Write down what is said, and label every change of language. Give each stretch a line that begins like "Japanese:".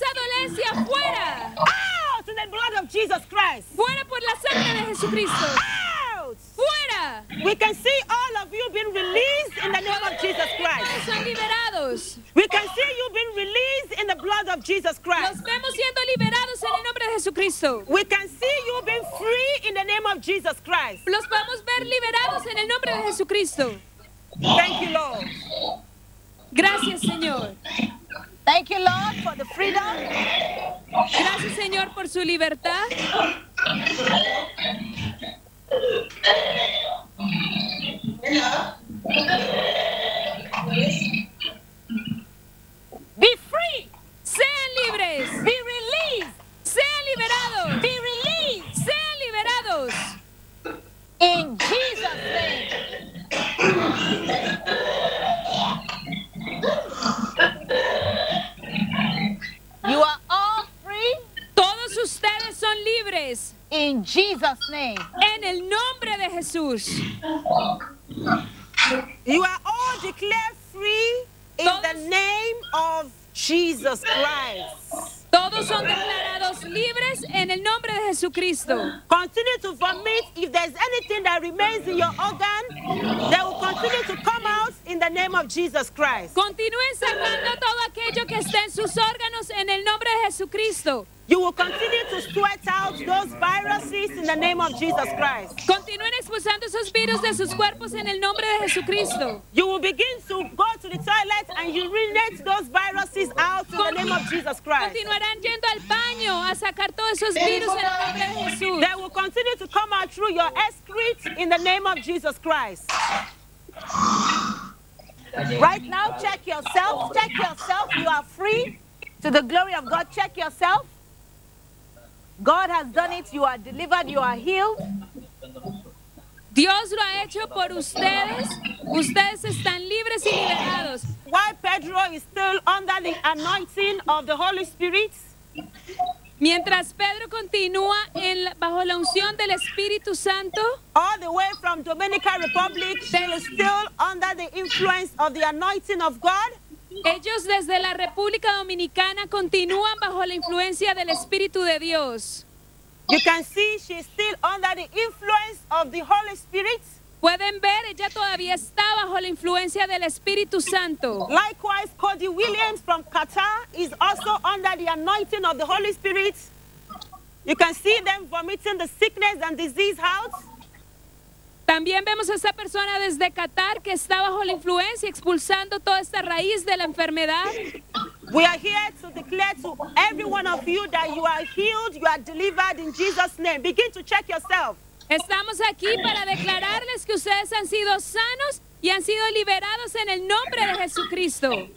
Spanish: Esa dolencia fuera.
English: Out in the blood of Jesus Christ.
Spanish: Fuera por la sangre de Jesucristo.
English: Out.
Spanish: Fuera.
English: We can see all of you being released in the name of Jesus Christ.
Spanish: Son liberados.
English: We can see you being released in the blood of Jesus Christ.
Spanish: Los vemos siendo liberados en el nombre de Jesucristo.
English: We can see you being free in the name of Jesus Christ.
Spanish: Los podemos ver liberados en el nombre de Jesucristo.
English: Thank you, Lord.
Spanish: Gracias, Señor.
English: Thank you, Lord, for the freedom.
Spanish: Gracias, Señor, por su libertad.
English: Be free.
Spanish: Sean libres.
English: Be released.
Spanish: Sean liberados.
English: Be released.
Spanish: Sean liberados.
English: In Jesus' name. You are all free.
Spanish: Todos ustedes son libres.
English: In Jesus' name.
Spanish: En el nombre de Jesús.
English: You are all declared free in the name of Jesus Christ.
Spanish: Todos son declarados libres en el nombre de Jesucristo.
English: Continue to vomit. If there's anything that remains in your organ, they will continue to come out in in the name of Jesus Christ.
Spanish: Continúen sacando todo aquello que esté en sus órganos en el nombre de Jesucristo.
English: You will continue to sweat out those viruses in the name of Jesus Christ.
Spanish: Continúen expulsando esos virus de sus cuerpos en el nombre de Jesucristo.
English: You will begin to go to the toilet and urinate those viruses out in the name of Jesus Christ.
Spanish: Continuarán yendo al baño a sacar todos esos virus en el nombre de Jesús.
English: They will continue to come out through your excrete in the name of Jesus Christ. Right now, check yourself. Check yourself. You are free to the glory of God. Check yourself. God has done it. You are delivered. You are healed.
Spanish: Dios lo ha hecho por ustedes. Ustedes están libres y liberados.
English: While Pedro is still under the anointing of the Holy Spirit,
Spanish: mientras Pedro continúa en bajo la unción del Espíritu Santo,
English: all the way from Dominican Republic, they are still under the influence of the anointing of God.
Spanish: Ellos desde la República Dominicana continúan bajo la influencia del Espíritu de Dios.
English: You can see she's still under the influence of the Holy Spirit.
Spanish: Pueden ver, ella todavía está bajo la influencia del Espíritu Santo.
English: Likewise, Cody Williams from Qatar is also under the anointing of the Holy Spirit. You can see them vomiting the sickness and disease out.
Spanish: También vemos a esta persona desde Qatar que está bajo la influencia expulsando toda esta raíz de la enfermedad.
English: We are here to declare to every one of you that you are healed, you are delivered in Jesus' name. Begin to check yourself.
Spanish: Estamos aquí para declararles que ustedes han sido sanos y han sido liberados en el nombre de Jesucristo.